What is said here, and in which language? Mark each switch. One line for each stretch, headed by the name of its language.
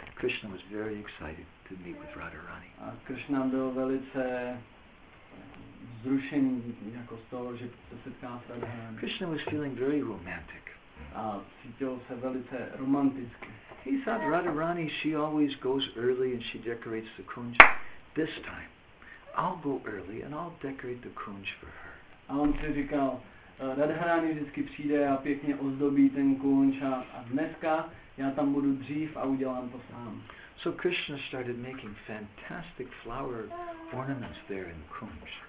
English: Krishna was very excited to meet with Radharani.
Czech: A Krishna byl velice vzrušen jako z toho, že se setká s Radharani.
English: Krishna was feeling very romantic.
Czech: A cítil se velice romanticky.
English: He thought Radharani, she always goes early and she decorates the kunj. This time, I'll go early and I'll decorate the kunj for her.
Czech: A on si říkal, Radharani vždycky přijde a pěkně ozdobí ten kunj a dneska já tam budu dřív a udělám to sám.
English: So Krishna started making fantastic flower ornaments there in Kunj.